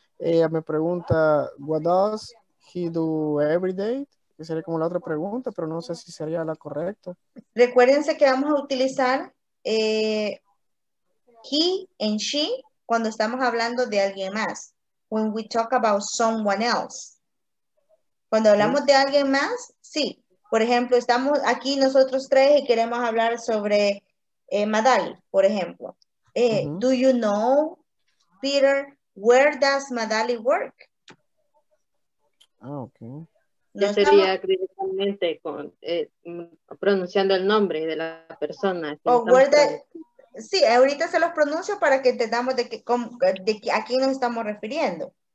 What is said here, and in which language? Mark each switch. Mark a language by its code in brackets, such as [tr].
[es] Ella me pregunta, [en] what does he do every day? [es] Que sería como la otra pregunta, pero no sé si sería la correcta. Recuérdense que vamos a utilizar he and she cuando estamos hablando de alguien más. [en] When we talk about someone else. [es] Cuando hablamos de alguien más, sí. Por ejemplo, estamos aquí nosotros tres y queremos hablar sobre Madali, por ejemplo. [en] Do you know, Peter, where does Madali work? [es] Ah, ok. Yo sería directamente con, pronunciando el nombre de la persona. Sí, ahorita se los pronuncio para que entendamos de a quién nos estamos refiriendo.